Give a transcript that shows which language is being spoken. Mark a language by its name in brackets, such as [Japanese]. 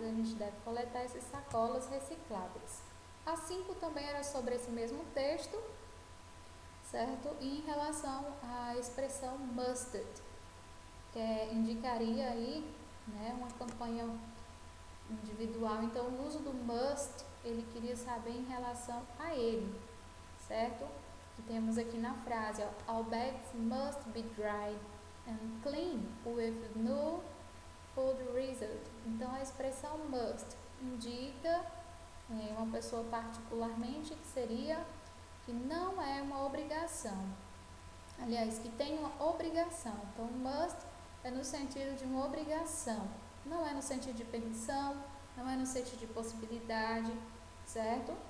[Portuguese] A gente deve coletar essas sacolas recicláveis. A 5 também era sobre esse mesmo texto, certo? E em relação à expressão must, que indicaria aí, né, uma campanha individual. Então, o uso do must, ele queria saber em relação a ele, certo? Que temos aqui na frase, ó, [English] all bags must be dried and clean with no food residue. [Portuguese] Então, a expressão must indica, uma pessoa particularmente, que seria que não é uma obrigação. Aliás, que tem uma obrigação. Então, must é no sentido de uma obrigação, não é no sentido de permissão, não é no sentido de possibilidade, certo?